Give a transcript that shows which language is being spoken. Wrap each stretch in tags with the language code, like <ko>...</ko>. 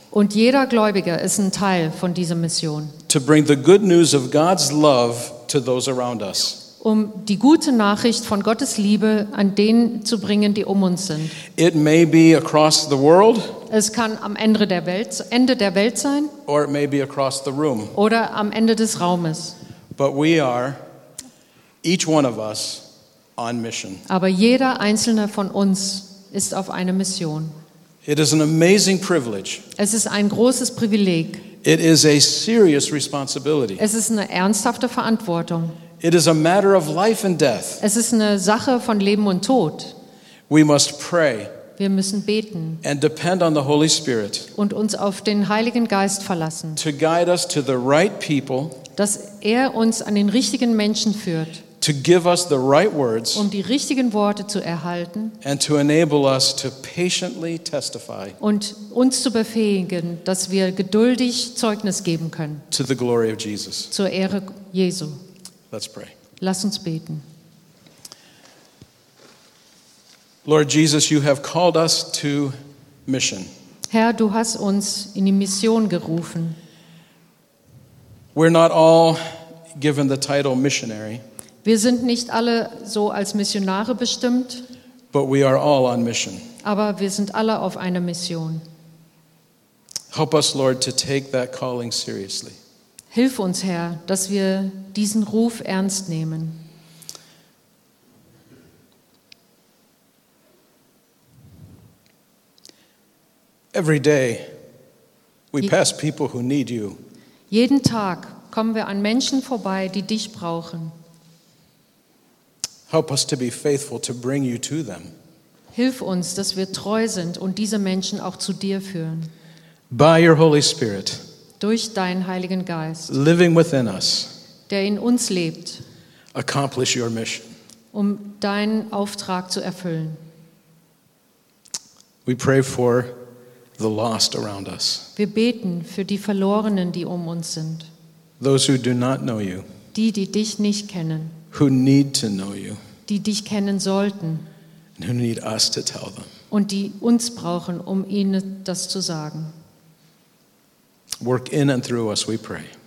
<de>Und jeder Gläubige ist ein Teil von dieser Mission.</de> <en>To bring the good news of God's love to those around us.</en> <de>Um die gute Nachricht von Gottes Liebe an denen zu bringen, die um uns sind.</de> <en>It may be across the world.</en> <de>Es kann am Ende der Welt sein.</de> <en>Or it may be across the room.</en> <de>Oder am Ende des Raumes.</de> <en>But we are, each one of us, on mission.</en> <de>Aber jeder einzelne von uns ist auf einer Mission.</de> <en>It is an amazing privilege.</en> <de>Es ist ein großes Privileg.</de> <en>It is a serious responsibility.</en> <de>Es ist eine ernsthafte Verantwortung.</de> <en>It is a matter of life and death.</en> <de>Es ist eine Sache von Leben und Tod.</de> <en>We must pray.</en> <de>Wir müssen beten.</de> <en>And depend on the Holy Spirit.</en> <de>Und uns auf den Heiligen Geist verlassen.</de> <en>To guide us to the right people.</en> <de>Dass er uns an den richtigen Menschen führt.</de> <en>To give us the right words.</en> <de>Um die richtigen Worte zu erhalten.</de> <en>And to enable us to patiently testify.</en> <de>Und uns zu befähigen, dass wir geduldig Zeugnis geben können.</de> <en>To the glory of Jesus.</en> <de>Zur Ehre Jesu.</de> <en>Let's pray.</en> <de>Lass uns beten.</de> <en>Lord Jesus, you have called us to mission.</en> <de>Herr, du hast uns in die Mission gerufen.</de> <en>We're not all given the title missionary.</en> <de>Wir sind nicht alle so als Missionare bestimmt.</de> <en>But we are all on mission.</en> <de>Aber wir sind alle auf einer Mission.</de> <en>Help us, Lord, to take that calling seriously.</en> <de>Hilf uns, Herr, dass wir diesen Ruf ernst nehmen.</de> <en>Every day we pass people who need you.</en> <de>Jeden Tag kommen wir an Menschen vorbei, die dich brauchen.</de> <en>Help us to be faithful to bring you to them.</en> <de>Hilf uns, dass wir treu sind und diese Menschen auch zu dir führen.</de> <en>By your Holy Spirit.</en> <de>Durch deinen Heiligen Geist,</de> <en>living within us,</en> <de>der in uns lebt,</de> <en>accomplish your mission,</en> <de>um deinen Auftrag zu erfüllen.</de> <en>We pray for the lost around us.</en> <de>Wir beten für die Verlorenen, die um uns sind.</de> <en>Those who do not know you,</en> <de>die, die dich nicht kennen,</de> <en>who need to know you,</en> <de>die dich kennen sollten,</de> <en>and who need us to tell them,</en> <de>und die uns brauchen, um ihnen das zu sagen.</de> <en>Work in and through us, we pray.</en>